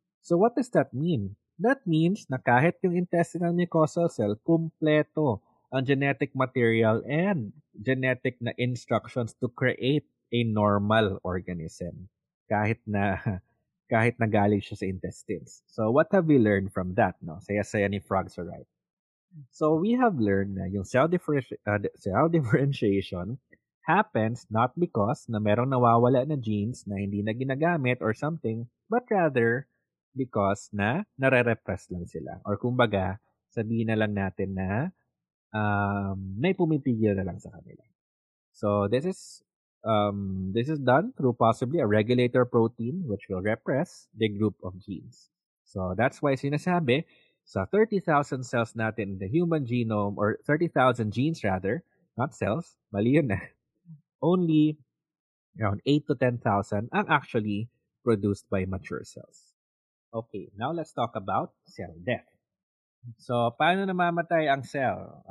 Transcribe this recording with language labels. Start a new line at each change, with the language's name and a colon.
English: So what does that mean? That means na
Filipino: kahit yung
English: intestinal mucosal cell, kumpleto ang genetic material and genetic na instructions to create a normal organism. Kahit na
Filipino: kahit nagaling siya sa intestines.
English: So what have we learned from that, no? Saya-saya ni frogs, right? So we have learned na yung cell differentiation happens not because na merong nawawala na genes na hindi na ginagamit or something, but rather because na nare-repress lang sila.
Filipino: Or kumbaga, sabihin na lang natin na may pumipigil na lang sa kanila.
English: So this is done through possibly a regulator protein which will repress the group of genes. So that's why sinasabi sa 30,000 cells natin in the human genome, or 30,000 genes rather, not cells,
Filipino: mali yun na,
English: only around 8 to 10,000 ang actually produced by mature cells. Okay, now let's talk about cell death.
Filipino: So, paano namamatay ang cell?